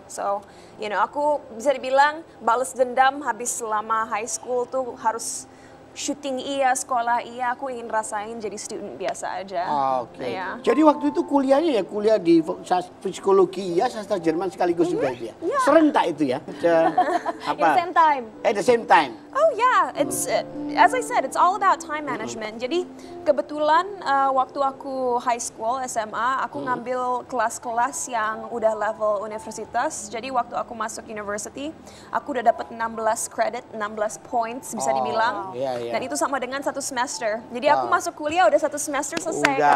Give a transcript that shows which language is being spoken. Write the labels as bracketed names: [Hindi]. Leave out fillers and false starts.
[English] So, you know, [Indonesian] aku bisa dibilang balas dendam habis selama high school tuh harus shooting iya, sekolah iya, aku ingin rasain jadi student biasa aja. [English] Okay. Yeah. [Indonesian] Jadi waktu itu kuliahnya ya, kuliah di psikologi iya, sastra Jerman sekaligus juga iya. [English] Yeah. [Indonesian] Serentak itu ya? [English] Apa? At the same time. At the same time. Oh yeah, as I said, it's all about time management. Mm-hmm. [Indonesian] Jadi kebetulan waktu aku high school, SMA, aku ngambil kelas-kelas yang udah level universitas. Jadi waktu aku masuk university, aku udah dapet 16 credit, 16 points bisa dibilang. [English] Yeah, yeah. [Indonesian] Dan itu sama dengan satu semester. Jadi aku masuk kuliah udah satu semester selesai.